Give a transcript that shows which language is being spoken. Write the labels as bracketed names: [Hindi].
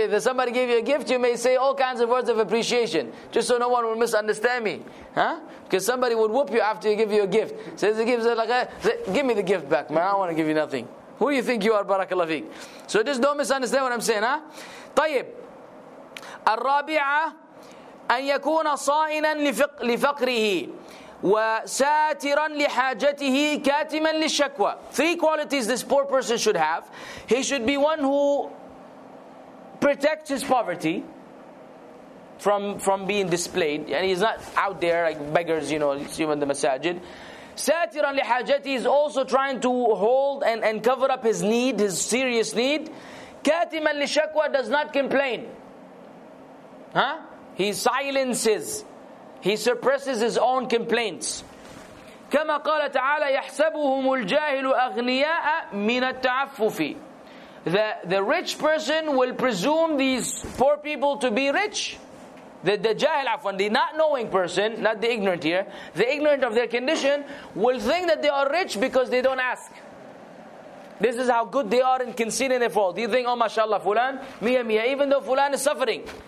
[English] If somebody gave you a gift, you may say all kinds of words of appreciation. Just so no one will misunderstand me. Huh? Because somebody would whoop you after you give you a gift. Says the gift, say, give me the gift back, man. I don't want to give you nothing. Who do you think you are, [Arabic] barakallah fiqh? [English] So just don't misunderstand what I'm saying, huh? [Arabic] Tayyib. الرابعة أن يكون صائنا لفقره وساترا لحاجته كاتما للشكوى. [English] Three qualities this poor person should have. He should be one who protects his poverty from being displayed. And he's not out there like beggars, you know, even the masajid. [Arabic] ساترا لحاجته [English] is also trying to hold and cover up his need, his serious need. [Arabic] كاتما للشكوى [English] does not complain. Huh? He silences. He suppresses his own complaints. [Arabic] كما قال تعالى يحسبهم الجاهل أغنياء من التعفف. [English] The rich person will presume these poor people to be rich. The jahil, afwan, the not knowing person, not the ignorant here, the ignorant of their condition, will think that they are rich because they don't ask. This is how good they are in concealing their fault. Do you think, oh mashallah, Fulan, [Arabic] mia mia, [English] even though Fulan is suffering.